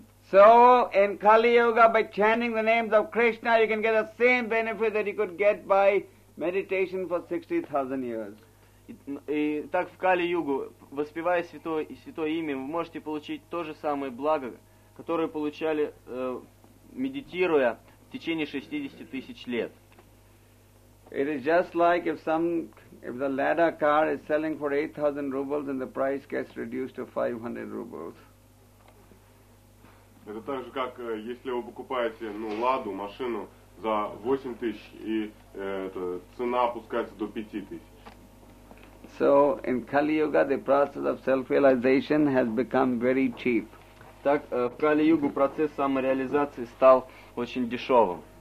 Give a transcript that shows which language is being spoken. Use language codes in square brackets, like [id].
[en] So in Kali Yuga, by chanting the names of Krishna, you can get the same benefit that you could get by meditation for 60,000 years. [ru] И так в Кали Югу, воспевая святое имя, вы можете получить то же самое благо, которое получали медитируя. В течение 60 тысяч лет. [en] It is just like if the Lada car is selling for 8,000 rubles and the price gets reduced to 500 rubles. [ru] Это так же, как если вы покупаете, ну, Ладу, машину за 8,000 и цена опускается до 5,000. [en] So in Kali Yuga the process of self-realization has become very cheap. [ru] Так в Кали Югу процесс самореализации стал очень дешевым.